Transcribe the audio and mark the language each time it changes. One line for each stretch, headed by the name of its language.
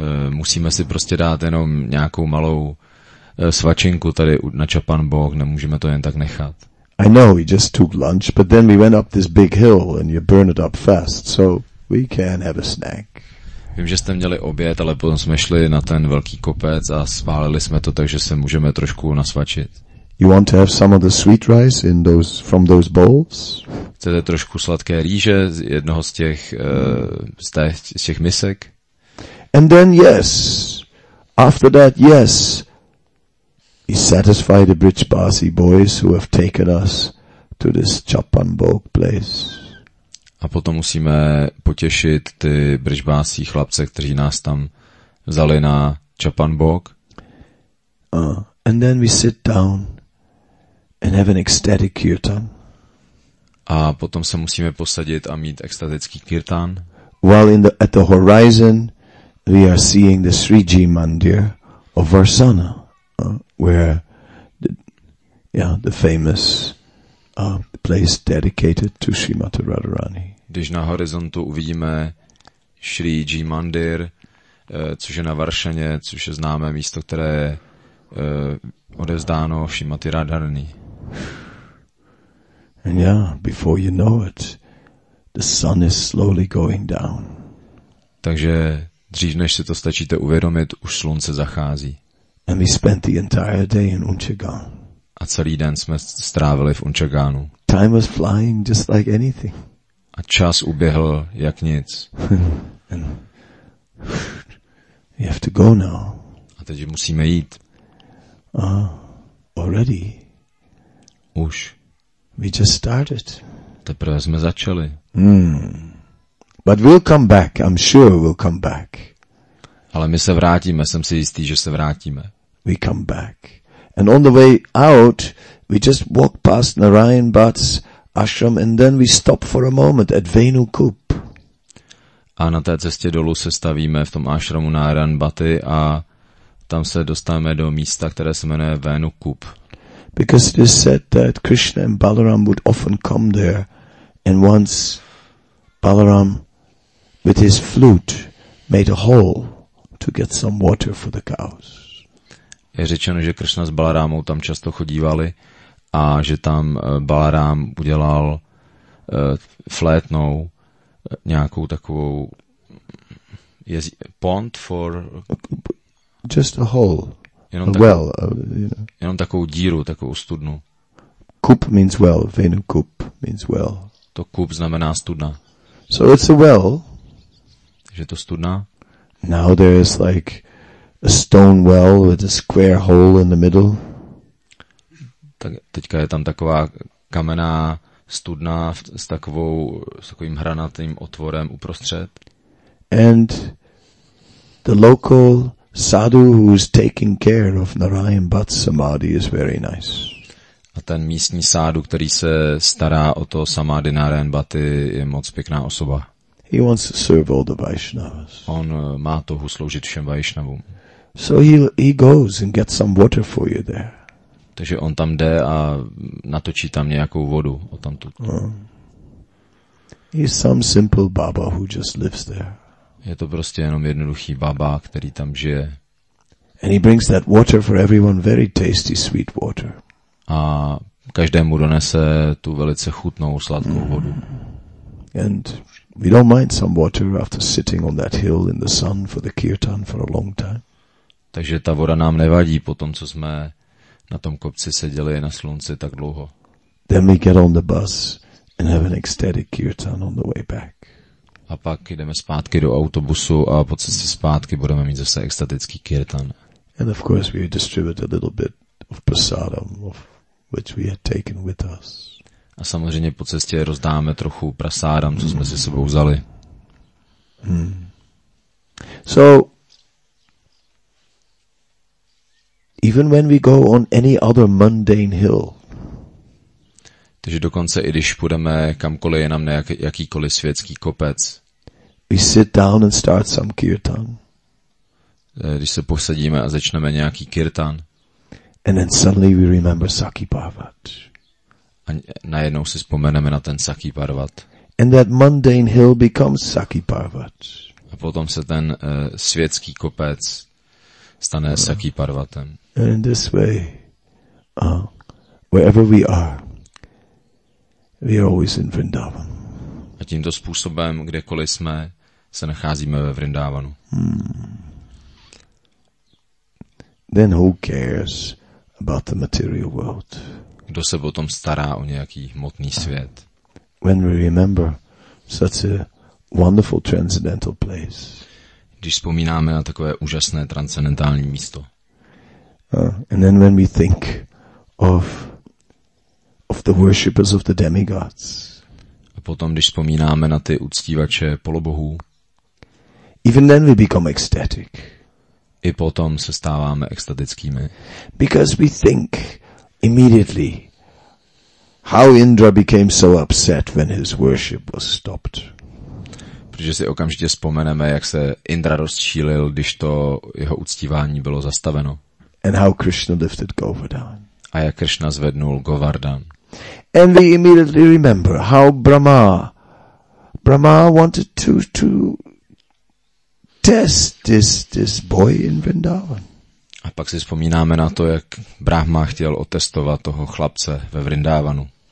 Czech: Musíme si prostě dát jenom nějakou malou svačinku tady na Chappan Bog, nemůžeme to jen tak nechat.
English: I know we just took lunch, but then we went up this big hill and you burn it up fast, so we can have a snack.
Czech: Vím, že jste měli oběd, ale potom jsme šli na ten velký kopec a spálili jsme to, takže se můžeme trošku nasvačit.
English: You want to have some of the sweet rice in those from those bowls?
Czech: Chcete trošku sladké rýže z jednoho z těch z těch misek?
English: And then yes. After that yes. We satisfy the bridge Parsi boys who have taken us to this Chappan Bog place.
Czech: A potom musíme potěšit ty bržbásí chlapce, kteří nás tam vzali na Chappan Bog.
English: And then we sit down and have an ecstatic kirtan.
Czech: A potom se musíme posadit a mít extatický kirtan.
English: While at the horizon we are seeing the Sriji Mandir of Varsana, where the famous place dedicated to Srimati Radharani.
Czech: Když na horizontu uvidíme Sri Ji Mandir, což je na Varšaně, což je známé místo, které je odevzdáno Srimati Radharani.
English: And yeah, before you know it, the sun is slowly going down.
Czech: Takže dřív, než si to stačíte uvědomit, už slunce zachází.
English: And we spent the entire day in Unchagan.
Czech: A celý den jsme strávili v Unchaganu.
English: Time was flying just like anything.
Czech: A čas uběhl jak nic.
English: We have to go now.
Czech: A teď musíme jít.
English: Already.
Czech: Už.
English: We just started.
Czech: Teprve jsme začali.
English: But we'll come back. I'm sure we'll come back.
Czech: Ale my se vrátíme. Jsem si jistý, že se vrátíme.
English: We come back. And on the way out, we just walk past Narayan Bhatt's ashram and then we stop for a moment at Venukup.
Czech: A na té cestě dolů se stavíme v tom ashramu Narayan Bhatti a tam se dostáváme do místa, které se jmenuje Venukup.
English: Because it is said that Krishna and Balaram would often come there and once Balaram with his flute made a hole to get some water for the cows.
Czech: je řečeno, že Kršna s Balarámou tam často chodívali a že tam Balarám udělal flétnou nějakou takovou
English: pond for... Just a hole.
Czech: Jenom, a takovou,
English: well,
Czech: jenom takovou díru, takovou studnu.
English: Kup means well, venu kup means well.
Czech: To kup znamená studna.
English: So it's a well.
Czech: Že to studna.
English: Now there is like a stone well with a square hole in the middle.
Czech: Tak teďka je tam taková kamenná studna s takovým hranatým otvorem uprostřed.
English: And the local sadhu who is taking care of Narayan Bhat Samadhi is very nice.
Czech: A ten místní sádu, který se stará o to samády Narayan Bhaty, je moc pěkná osoba.
English: He wants to serve all the Vaishnavas.
Czech: On má touhu sloužit všem Vaishnavům.
English: So he goes and gets some water for you there.
Czech: Takže on tam jde a natočí tam nějakou vodu o tam tu.
English: He's some simple baba who just lives there.
Czech: Je to prostě jenom jednoduchý baba, který tam žije.
English: And he brings that water for everyone, very tasty sweet water.
Czech: A každému donese tu velice chutnou sladkou vodu.
English: And we don't mind some water after sitting on that hill in the sun for the kirtan for a long time.
Czech: Takže ta voda nám nevadí po tom, co jsme na tom kopci seděli na slunci tak dlouho.
English: Then we get on the bus and have an ecstatic kirtan on the way back.
Czech: A pak jdeme zpátky do autobusu a po cestě zpátky budeme mít zase ecstatický kirtan.
English: And of course we distribute a little bit of prasadam of which we had taken with us.
Czech: A samozřejmě po cestě rozdáme trochu prasádam, co jsme si sebou vzali.
English: So even when we go on any other mundane hill.
Czech: Takže dokonce i když půjdeme kamkoliv jenom na jakýkoliv světský kopec.
English: We sit down and start some kirtan.
Czech: Když se posadíme a začneme nějaký kirtan.
English: And then suddenly we remember Sakhi Parvat.
Czech: A najednou si vzpomeneme na ten Sakhi Parvat.
English: And that mundane hill becomes Sakhi Parvat.
Czech: A potom se ten světský kopec stane Sakhi Parvatem.
English: And in this way, wherever we are always in Vrindavan.
Czech: A tímto způsobem, kdekoliv jsme, se nacházíme ve Vrindavanu.
English: Then who cares about the material world?
Czech: Kdo se potom stará o nějaký hmotný svět?
English: When we remember such a wonderful transcendental place.
Czech: Když vzpomínáme na takové úžasné transcendentální místo.
English: And then when we think of the worshippers of the demigods.
Czech: A potom když vzpomínáme na ty uctívače polobohů.
English: Even then we become ecstatic.
Czech: I potom se stáváme extatickými.
English: Because we think immediately how Indra became so upset when his worship was stopped.
Czech: Protože si okamžitě vzpomeneme, jak se Indra rozčílil, když to jeho uctívání bylo zastaveno.
English: And how Krishna lifted Govardhan.
Czech: A jak Krishna zvednul Govardhan.
English: And we immediately remember how Brahma wanted to test this boy in Vrindavan.
Czech: A pak si vzpomínáme na to, jak Brahma chtěl otestovat toho chlapce ve Vrindavanu.